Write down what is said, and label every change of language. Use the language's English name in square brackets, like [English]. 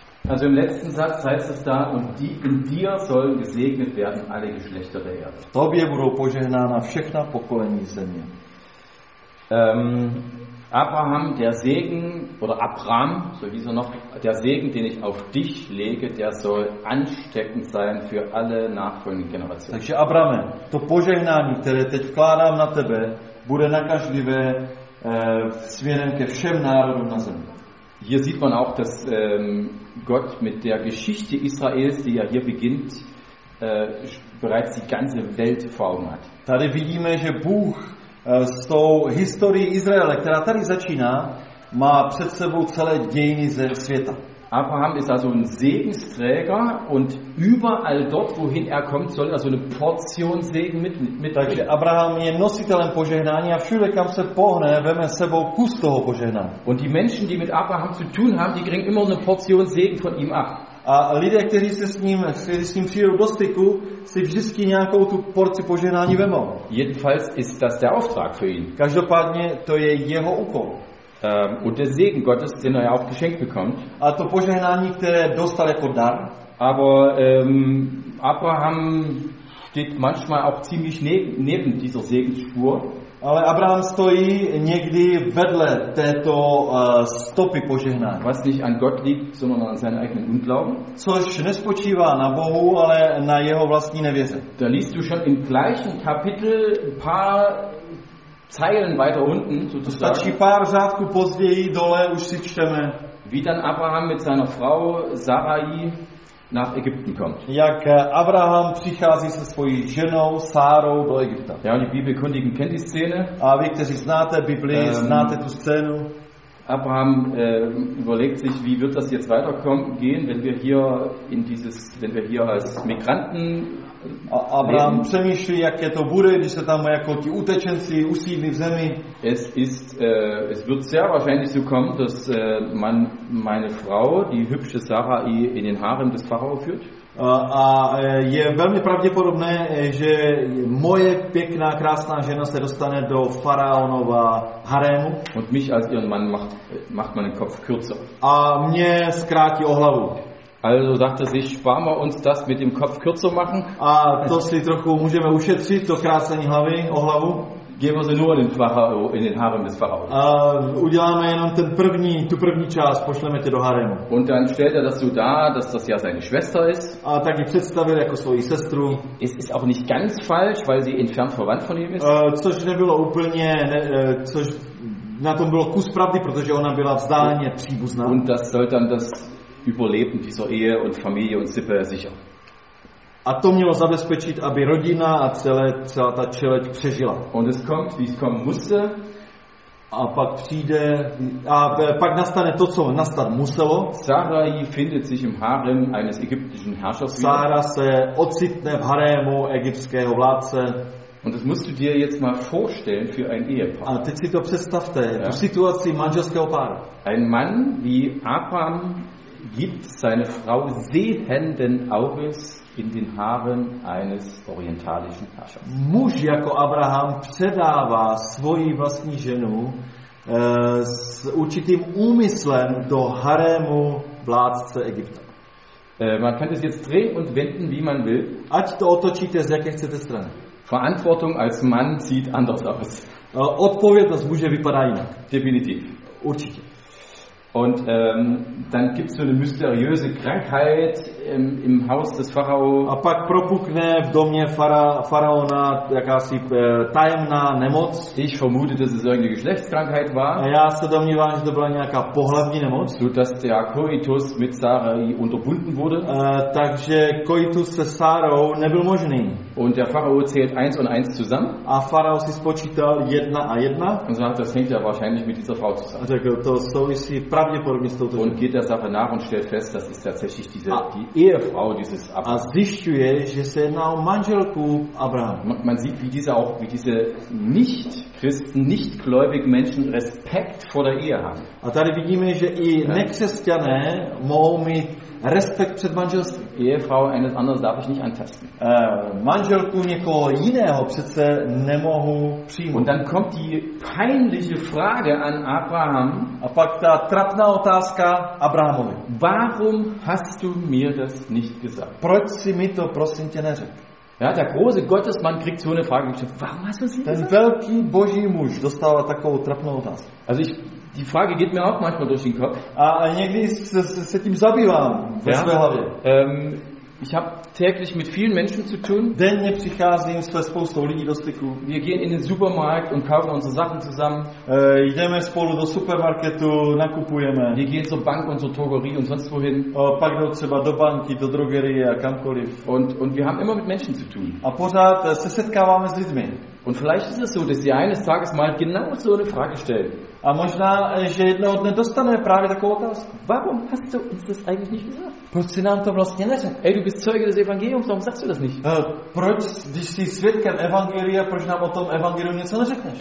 [German] Also im letzten Satz heißt es da, und die in dir sollen gesegnet werden alle Geschlechter der Erde. [Czech] V tobě budou požehnána všechna pokolení země. [German] Abraham, der Segen, oder Abraham, so hieß er noch, der Segen, den ich auf dich lege, der soll ansteckend sein für alle nachfolgenden Generationen. [Czech] Takže Abrahame, to požehnání, které teď vkládám na tebe, bude nakažlivé směrem ke všem národům na zemi. [German] Hier sieht man auch, dass Gott mit der Geschichte Israels, die ja hier beginnt, bereits die ganze Welt vor Augen hat. [Czech] Tady vidíme, že Bůh s tou historií Izraele, která tady začíná, má před sebou celé dějiny ze světa. [German] Abraham ist also ein Segensträger und überall dort, wohin er kommt, soll er so eine Portion Segen mit. [Czech] Takže Abraham je nositelem požehnání a všude, kam se pohne, veme sebou kus toho požehnání. [German] Und die Menschen, die mit Abraham zu tun haben, die kriegen immer eine Portion Segen von ihm ab. [Czech] A lidé, kteří se s ním, přijedou do styku, si vždycky nějakou tu porci požehnání vemou. [German] Jedenfalls ist das der Auftrag für ihn. [Czech] Každopádně to je jeho úkol. [German] Und der Segen Gottes, den er auch geschenkt bekommt. [Czech] A to požehnání, které dostal jako dar. [German] Aber Abraham steht manchmal auch ziemlich neben dieser Segensspur. [Czech] Ale Abraham stojí někdy vedle této stopy požehnání. [German] Was nicht an Gott liegt, sondern an seinen eigenen Unglauben. [Czech] Což nespočívá na Bohu, ale na jeho vlastní nevěře. [German] Da liest du schon im gleichen Kapitel ein paar Zeilen weiter unten, sozusagen. [Czech] Stačí pár řádků později, dole už si čteme. [German] Wie dann Abraham mit seiner Frau Sarai nach Ägypten kommt. [Czech] Jak Abraham přichází se svojí ženou Sárou do Egypta. [German] Ja, die Bibelkundigen kennt die Szene. [Czech] A vy, kteří znáte Bibli, znáte tu scénu. [German] Abraham überlegt sich, wie wird das jetzt weitergehen, wenn wir hier als Migranten. [Czech] Abraham přemýšlí, jaké to bude, když se tam jako ti utečenci usídlí v zemi. [German] Es wird sehr wahrscheinlich so kommen, dass man meine Frau, die hübsche Sarai, in den Harem des Pharao führt. [Czech] A je velmi pravděpodobné, že moje pěkná, krásná žena se dostane do faraonova harému. [German] Und mich als ihren Mann macht man den Kopf kürzer. [Czech] A mě zkrátí o hlavu. [German] Also sagte sich, sparen wir uns das mit dem Kopf kürzer machen. [Czech] A to si trochu můžeme ušetřit, to krásení hlavy, o hlavu. [German] Geben wir sie nur den Pharao, in den Harem des Pharaos. [Czech] Uděláme jenom ten první, tu první část, pošleme tě do haremu. [German] Und dann stellt er das so dar, dass das ja seine Schwester ist. [Czech] A tak ji představil jako svoji sestru. [German] Es ist auch nicht ganz falsch, weil sie entfernt verwandt von ihm ist. [Czech] Což nebylo úplně, což na tom bylo kus pravdy, protože ona byla vzdáleně příbuzná. [German] Und das soll dann das Überleben dieser Ehe und Familie und Sippe sichern. [Czech] A to mělo zabezpečit, aby rodina a celá ta čeleď přežila. [German] Und es kommt, wie es kommen musste. [Czech] A pak přijde, a pak nastane to, co nastat muselo. [German] Sarai findet sich im harem eines ägyptischen Herrschers. [Czech] Sara se ocitne v harému egyptského vládce. [German] Und das musst du dir jetzt mal vorstellen für ein Ehepaar. [Czech] A teď si to představte, ja. Tu situaci manželského páru. [German] Ein Mann wie Abraham gibt seine Frau sehenden Auges in den Haaren eines orientalischen Herrschers. [Czech] Muž jako Abraham předává svoji vlastní ženu s určitým úmyslem do harému vládce Egypta. [German] Man kann es jetzt drehen und wenden, wie man will. [Czech] Ať to otočíte z jaké chcete strany. [German] Verantwortung als Mann sieht anders aus. [Czech] Odpovědnost muže vypadá jinak. [German] Definitiv. [Czech] Určitě. [German] Und dann gibt es so eine mysteriöse Krankheit im Haus des Pharao. [Czech] A pak propukne v domě faraona jakási tajemná nemoc. [German] Ich vermute, dass es irgendeine Geschlechtskrankheit war. [Czech] A já se domnívám, že to byla nějaká pohlavní nemoc. [German] So dass der Koitus mit Sarai unterbunden wurde. [Czech] Takže koitus se Sarou nebyl možný. [German] Und der Pharao zählt eins und eins zusammen. [Czech] A Pharao si spočítal jedna a jedna. [German] Und sagt, das hängt ja wahrscheinlich mit dieser Frau zusammen. [Czech] Tak to souvisí pravděpodobně s touto. [German] Und geht der Sache nach und stellt fest, das ist tatsächlich die Ehefrau dieses [Czech] Abrahams. A zjišťuje, že se jedná o manželku Abraham. [German] Man sieht, wie diese auch, wie diese Nicht-Christen, nicht-gläubigen Menschen Respekt vor der Ehe haben. [Czech] A tady vidíme, že i nekřesťané mohou mít respekt před manželstvím. [German] Ehefrau eines anderen darf ich nicht antasten. [Czech] Manželku někoho jiného přece nemohu přijmout. [German] Und dann kommt die peinliche Frage an Abraham. [Czech] A pak ta trapná otázka Abrahamovi. [German] Warum hast du mir das nicht gesagt? [Czech] Proč jsi mi to prosím tě neřekl? [German] Ja, der große Gottesmann kriegt so eine Frage gestellt. Warum hast du es nicht gesagt? [Czech] Ten velký boží muž dostává takovou trapnou otázku. [German] Also ich, die Frage geht mir auch manchmal durch den Kopf. [Czech] A někdy se tím zabývám ve své hlavě. [German] Ich habe täglich mit vielen Menschen zu tun. [Czech] Denně přicházím se spoustou lidí do styku. [German] Wir gehen in den Supermarkt und kaufen unsere Sachen zusammen. [Czech] Jdeme spolu do supermarketu, nakupujeme. [German] Wir gehen zur Bank und zur Drogerie und sonst wohin. [Czech] Pak jdou třeba do banky, do drogerie a kamkoliv. [German] Und wir haben immer mit Menschen zu tun. [Czech] A pořád se setkáváme s lidmi. [German] Und vielleicht ist es so, dass sie eines Tages mal genau so eine Frage stellen. [Czech] A možná, že jednoho dne dostane právě takovou otázku. [German] Warum hast du uns das eigentlich nicht gesagt? [Czech] Proč jsi nám to vlastně neřekl? [German] Ey, du bist Zeuge des Evangeliums, warum sagst du das nicht? [Czech] Proč, když jsi svědkem Evangelia, proč nám o tom Evangelium něco neřekneš?